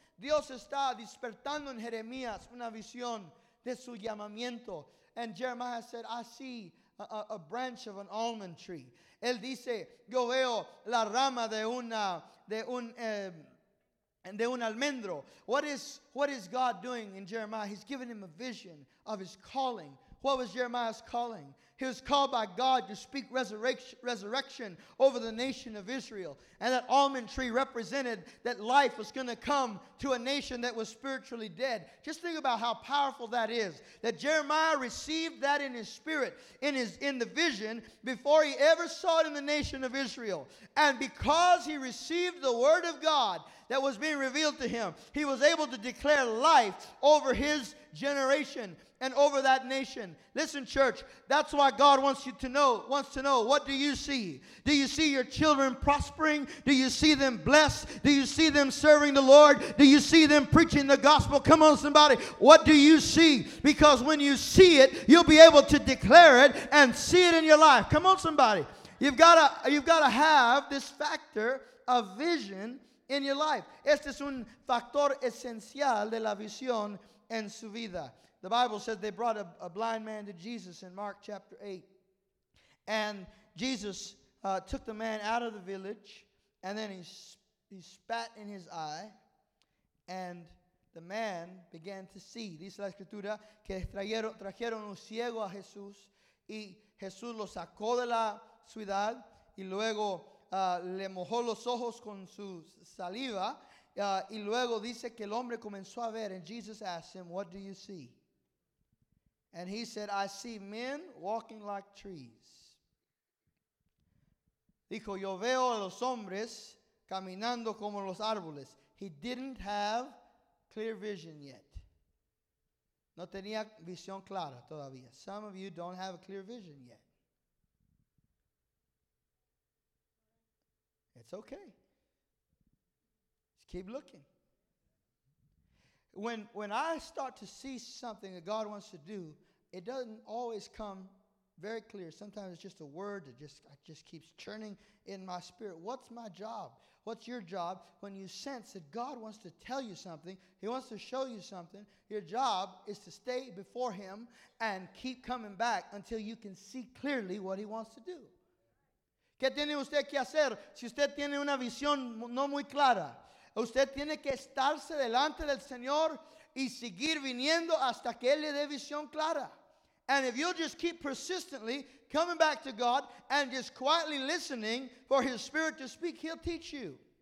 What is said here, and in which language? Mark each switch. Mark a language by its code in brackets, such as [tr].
[es] Dios está despertando en Jeremías una visión de su llamamiento. [en] And Jeremiah said, I see a branch of an almond tree. [es] Él dice, yo veo la rama de un almendro. [en] What is God doing in Jeremiah? He's giving him a vision of His calling. What was Jeremiah's calling? He was called by God to speak resurrection over the nation of Israel. And that almond tree represented that life was going to come to a nation that was spiritually dead. Just think about how powerful that is. That Jeremiah received that in his spirit, in the vision, before he ever saw it in the nation of Israel. And because he received the word of God that was being revealed to him, he was able to declare life over his generation and over that nation. Listen, church, that's why God wants to know, what do you see? Do you see your children prospering? Do you see them blessed? Do you see them serving the Lord? Do you see them preaching the gospel? Come on, somebody, what do you see? Because when you see it, you'll be able to declare it and see it in your life. Come on, somebody. You've got to have this factor of vision in your life. [es] Este es un factor esencial de la visión en su vida. [en] The Bible says they brought a blind man to Jesus in Mark chapter 8. And Jesus took the man out of the village, and then he spat in his eye, and the man began to see. [es] Dice la escritura que trajeron un ciego a Jesús, y Jesús lo sacó de la ciudad, y luego le mojó los ojos con su saliva, y luego dice que el hombre comenzó a ver, [en] and Jesus asked him, "What do you see?" And he said, "I see men walking like trees." [es] Dijo, "Yo veo a los hombres caminando como los árboles." [en] He didn't have clear vision yet. [es] No tenía visión clara todavía. [en] Some of you don't have a clear vision yet. It's okay. Just keep looking. When I start to see something that God wants to do, it doesn't always come very clear. Sometimes it's just a word that just keeps churning in my spirit. What's my job? What's your job? When you sense that God wants to tell you something, he wants to show you something, your job is to stay before him and keep coming back until you can see clearly what he wants to do. [es] ¿Qué tiene usted que hacer si usted tiene una visión no muy clara? Usted tiene que estarse delante del Señor y seguir viniendo hasta que él le dé visión clara. [en] And if you'll just keep persistently coming back to God and just quietly listening for his spirit to speak, he'll teach you.